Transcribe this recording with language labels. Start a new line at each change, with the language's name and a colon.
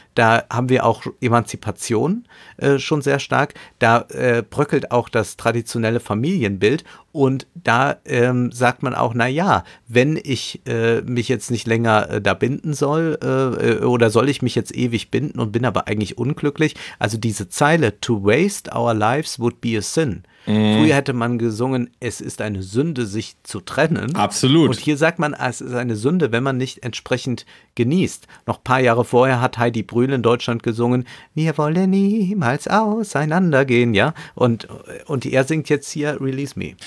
German: Da haben wir auch Emanzipation schon sehr stark. Da bröckelt auch das traditionelle Familienbild. Und da sagt man auch, na ja, wenn ich mich jetzt nicht länger da binden soll oder soll ich mich jetzt ewig binden und bin aber eigentlich unglücklich. Also diese Zeile,
English: to waste our lives would be a sin.
German: Früher hätte man gesungen, es ist eine Sünde, sich zu trennen. Absolut. Und hier sagt man, es ist eine Sünde, wenn man nicht entsprechend genießt. Noch ein paar Jahre vorher hat Heidi Brühl in Deutschland gesungen, wir wollen niemals auseinandergehen. Ja? Und er singt jetzt hier Release Me.